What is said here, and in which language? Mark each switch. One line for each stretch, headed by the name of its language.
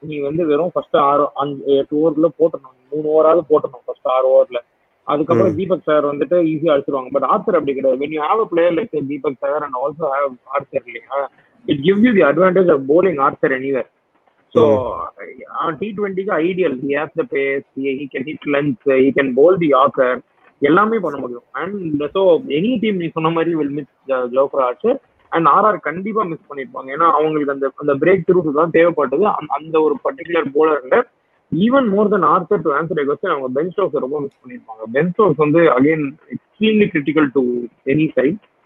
Tamil: நீ வந்து வெறும் ஃபர்ஸ்ட் 8 ஓவர்ல போட்டணும், 3 ஓவராவது போட்டணும் ஃபர்ஸ்ட் 6 ஓவர்ல. அதுக்கப்புறம் தீபக் சார் வந்துட்டு ஈஸியா அடிச்சிருவாங்க.
English: but Arthur
Tamil: அப்படி கிடையாது.
English: when you have a player like Deepak sir and also have Arthur
Tamil: இல்லையா,
English: It gives you the advantage of bowling Arthur anywhere. So, T20 is ideal. He has the pace, he can hit length, he can bowl the yorker.
Tamil: எல்லாமே பண்ண முடியும்.
English: And so, any team
Tamil: நீ சொன்ன மாதிரி
English: will miss Jofra Archer.
Tamil: And RR கண்டிப்பா miss பண்ணிருப்பாங்க. ஏன்னா அவங்களுக்கு அந்த அந்த பிரேக் த்ரூ தான் தேவைப்பட்டது அந்த ஒரு particular போலர்ல.
English: even more then Arthur to answer question,
Tamil: அவங்க
English: Ben Stokes ரொம்ப miss பண்ணிருப்பாங்க. Ben Stokes வந்து again extremely critical to any side.